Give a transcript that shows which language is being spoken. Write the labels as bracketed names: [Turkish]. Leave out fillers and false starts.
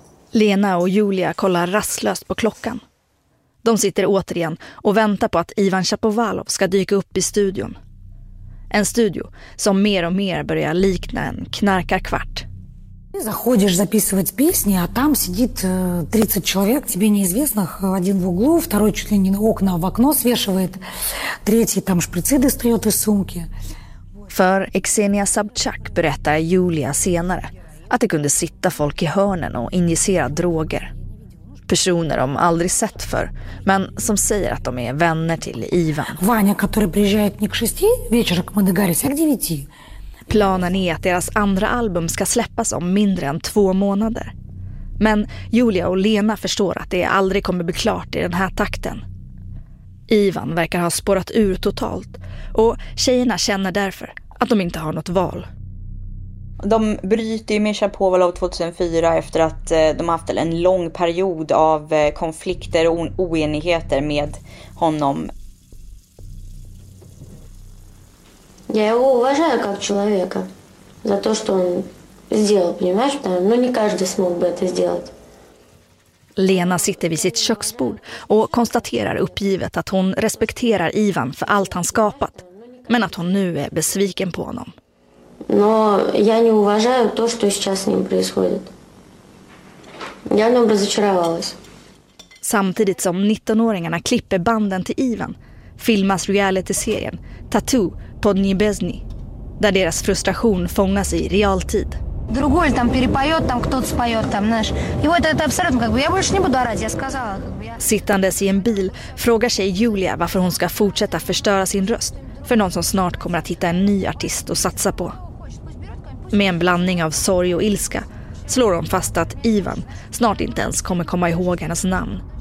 [Swedish] Lena och Julia kollar rastlöst på klockan. De sitter återigen och väntar på att Ivan Chapovalov ska dyka upp i studion. En studio som mer och mer börjar likna en knarkarkvart. Du går och spelar [Russian] песни, [Swedish] och där sitter [Russian] 30 человек, тебе неизвестных, один в углу, второй чуть ли не окна в окно свешивает, третий там шприцы достает из сумки. [Swedish] För Ксenia Sobchak berättar Julia senare att det kunde sitta folk i hörnen och injicera droger. Personer de aldrig sett för, men som säger att de är vänner till Ivan. [Russian] Ваня, который приезжает не к 6, вечером мы договорились, а к 9. [Swedish] Planen är att deras andra album ska släppas om mindre än 2 månader. Men Julia och Lena förstår att det aldrig kommer bli klart i den här takten. Ivan verkar ha spårat ur totalt och tjejerna känner därför att de inte har något val. De bryter ju med Chapovalov 2004 efter att de har haft en lång period av konflikter och oenigheter med honom. Jag uvažar honom som [Russian] человека за то, что он сделал, понимаешь? Но не каждый смог бы это сделать. [Swedish] Lena sitter vid sitt köksbord och konstaterar uppgivet att hon respekterar Ivan för allt han skapat, men att hon nu är besviken på honom. [Russian] Но я не уважаю то, что сейчас с ним происходит. Я не разочаровалась. [Swedish] Samtidigt som 19-åringarna klipper banden till Ivan filmas reality-serien Tattoo på Nibesny, där deras frustration fångas i realtid. [Russian] Другой там перепоёт, там кто-то споёт, там, знаешь. И вот это абсолютно как бы я больше не буду орать, я сказала, как бы я. [Swedish] Sittandes i en bil frågar sig Julia varför hon ska fortsätta förstöra sin röst för någon som snart kommer att hitta en ny artist och satsa på. Med en blandning av sorg och ilska slår hon fast att Ivan snart inte ens kommer komma ihåg hennes namn.